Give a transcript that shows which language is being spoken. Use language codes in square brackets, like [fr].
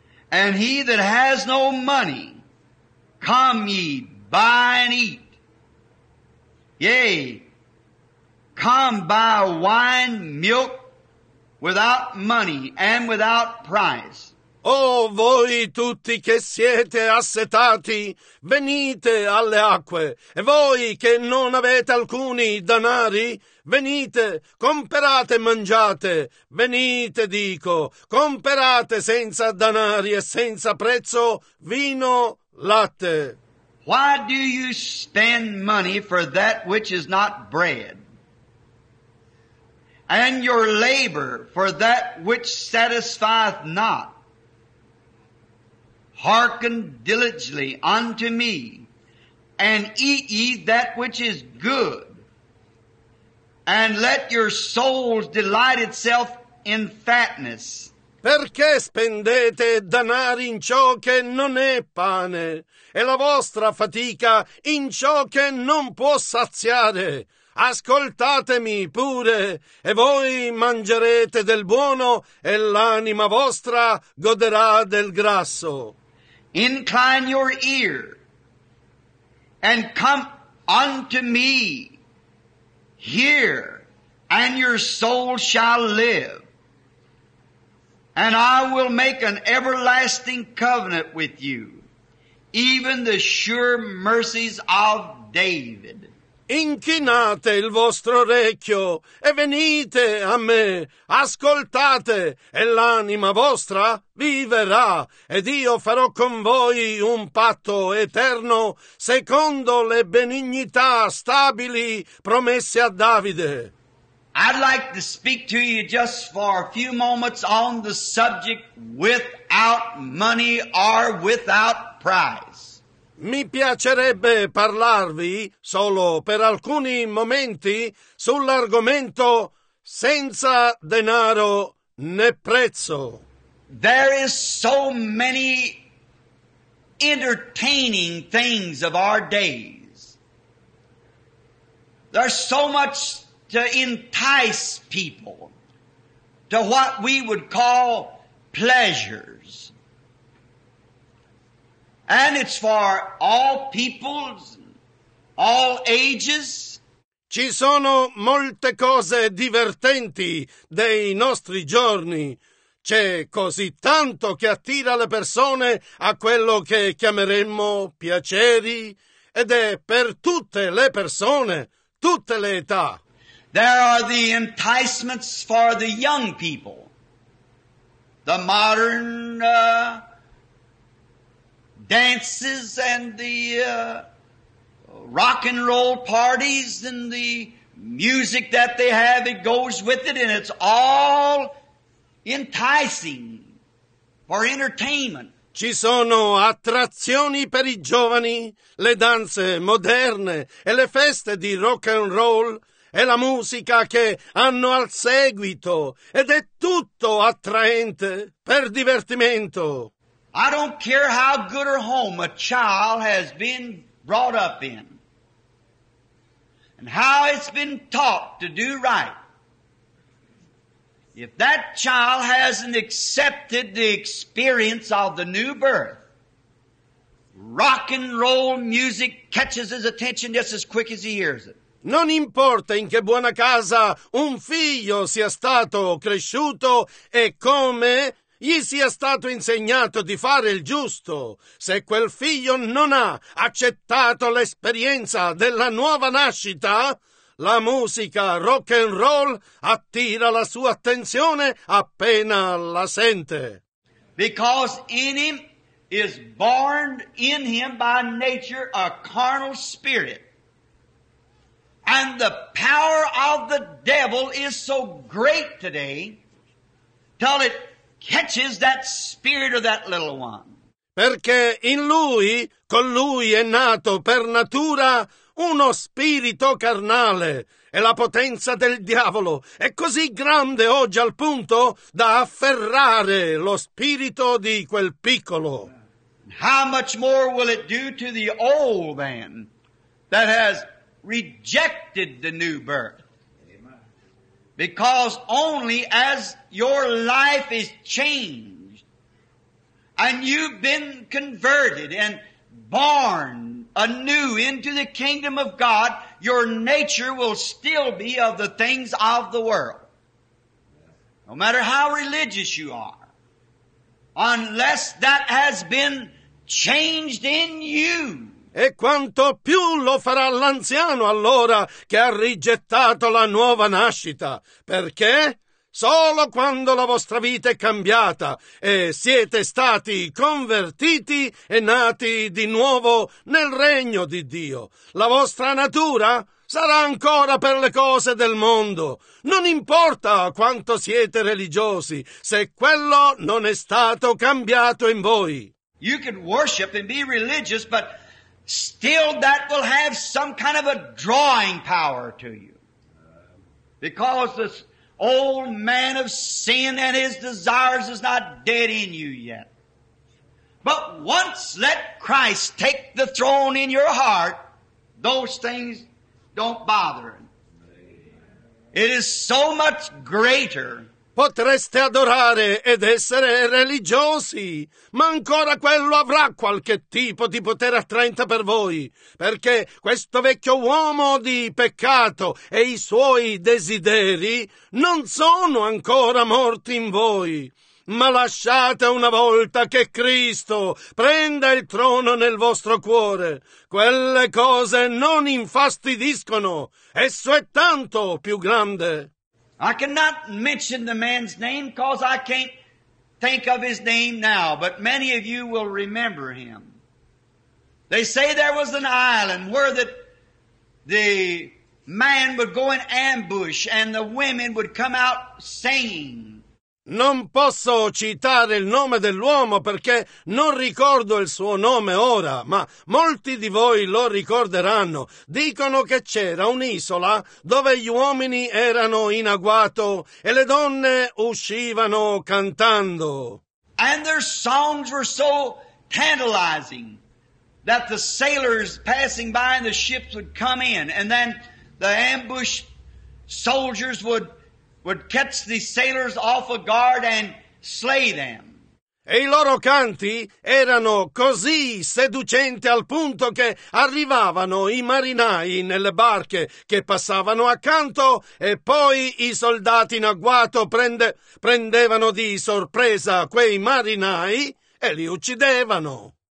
[en] And he that has no money, come ye, buy and eat. Yea, come buy wine, milk, without money and without price. [it] Oh, voi tutti che siete assetati, venite alle acque. E voi che non avete alcuni danari, venite, comperate e mangiate. Venite, dico, comperate senza danari e senza prezzo vino, latte. [en] Why do you spend money for that which is not bread? And your labor for that which satisfieth not? Hearken diligently unto me, and eat ye that which is good, and let your souls delight itself in fatness. [it] Perché spendete danari in ciò che non è pane, e la vostra fatica in ciò che non può saziare? Ascoltatemi pure, e voi mangerete del buono, e l'anima vostra goderà del grasso. [en] Incline your ear and come unto me, hear, and your soul shall live, and I will make an everlasting covenant with you, even the sure mercies of David. [it] Inchinate il vostro orecchio e venite a me, ascoltate, e l'anima vostra viverà, ed io farò con voi un patto eterno secondo le benignità stabili promesse a Davide. [en] I'd like to speak to you just for a few moments on the subject without money or without price. [it] Mi piacerebbe parlarvi, solo per alcuni momenti, sull'argomento senza denaro né prezzo. [en] There is so many entertaining things of our days. There's so much to entice people to what we would call pleasures. And it's for all peoples, all ages. [it] Ci sono molte cose divertenti dei nostri giorni. C'è così tanto che attira le persone a quello che chiameremmo piaceri. Ed è per tutte le persone, tutte le età. [en] There are the enticements for the young people. The modern dances and the rock and roll parties and the music that they have, it goes with it, and it's all enticing for entertainment. [it] Ci sono attrazioni per i giovani, le danze moderne e le feste di rock and roll e la musica che hanno al seguito, ed è tutto attraente per divertimento. [en] I don't care how good a home a child has been brought up in and how it's been taught to do right. If that child hasn't accepted the experience of the new birth, rock and roll music catches his attention just as quick as he hears it. [it] Non importa in che buona casa un figlio sia stato cresciuto e come gli sia stato insegnato di fare il giusto, se quel figlio non ha accettato l'esperienza della nuova nascita, la musica rock and roll attira la sua attenzione appena la sente. [en] Because in him is born in him by nature a carnal spirit, and the power of the devil is so great today till it catches that spirit of that little one. [it] Perché in lui, con lui è nato per natura uno spirito carnale, e la potenza del diavolo è così grande oggi al punto da afferrare lo spirito di quel piccolo. [en] How much more will it do to the old man that has rejected the new birth? Because only as your life is changed and you've been converted and born anew into the kingdom of God, your nature will still be of the things of the world. No matter how religious you are, unless that has been changed in you. [it] E quanto più lo farà l'anziano allora che ha rigettato la nuova nascita. Perché? Solo quando la vostra vita è cambiata e siete stati convertiti e nati di nuovo nel regno di Dio. La vostra natura sarà ancora per le cose del mondo. Non importa quanto siete religiosi, se quello non è stato cambiato in voi. [en] You can worship and be religious, but still that will have some kind of a drawing power to you. Because this old man of sin and his desires is not dead in you yet. But once let Christ take the throne in your heart, those things don't bother him. It is so much greater. [it] Potreste adorare ed essere religiosi, ma ancora quello avrà qualche tipo di potere attraente per voi, perché questo vecchio uomo di peccato e i suoi desideri non sono ancora morti in voi. Ma lasciate una volta che Cristo prenda il trono nel vostro cuore. Quelle cose non infastidiscono, esso è tanto più grande. [en] I cannot mention the man's name because I can't think of his name now, but many of you will remember him. They say there was an island where that the man would go in ambush and the women would come out singing. [it] Non posso citare il nome dell'uomo perché non ricordo il suo nome ora, ma molti di voi lo ricorderanno. Dicono che c'era un'isola dove gli uomini erano in agguato e le donne uscivano cantando. [en] And their songs were so tantalizing that the sailors passing by in the ships would come in, and then the ambush soldiers would catch the sailors off a guard and slay them. [it] E i loro canti erano così seducenti al punto che arrivavano i marinai nelle barche che passavano accanto e poi i soldati in agguato prendevano di sorpresa quei marinai e li uccidevano.